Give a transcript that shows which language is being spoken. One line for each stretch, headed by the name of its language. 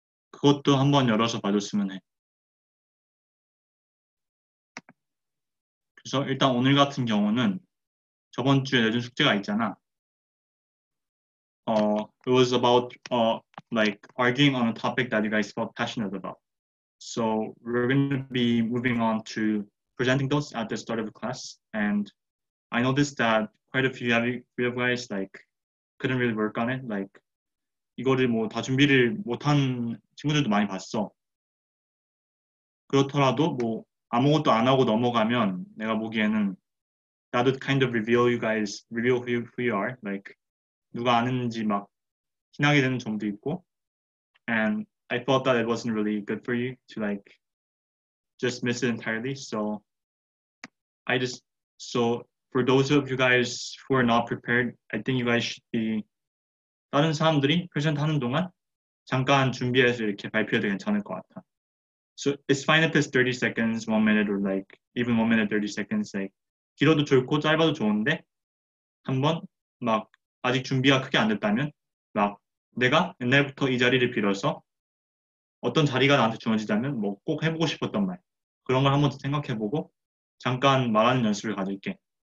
Korean: 그것도 한번 열어서 봐줬으면 해. 그래서 일단 오늘 같은 경우는 저번 주에 내준 숙제가 있잖아.
English: It was about like arguing on a topic that you guys felt passionate about. So we're going to be moving on to presenting those at the start of the class. And I noticed that quite a few of you guys like couldn't really work on it.
Korean: Like 이거를 뭐 다 준비를 못한 친구들도 많이 봤어. 그렇더라도 뭐 아무것도 안 하고 넘어가면 내가 보기에는
English: that would kind of reveal you guys, reveal who you are.
Korean: Like 누가 아는지 막 티나게 되는 점도 있고.
English: And I felt that it wasn't really good for you to like just miss it entirely. So I just, so for those of you guys who are not prepared, I think you guys should be
Korean: 다른 사람들이 present 하는 동안 잠깐 준비해서 이렇게 발표해도 괜찮을 것 같아.
English: So it's fine if it's 30 seconds, 1 minute, or like even 1 minute, 30 seconds.
Korean: Like 길어도 좋고 짧아도 좋은데 한번 막 아직 준비가 크게 안 됐다면 막 내가 옛날부터 이 자리를 빌어서 어떤 자리가 나한테 주어지자면 뭐 꼭 해보고 싶었던 말 그런 걸 한번 생각해보고 잠깐 말하는 연습을 가질게.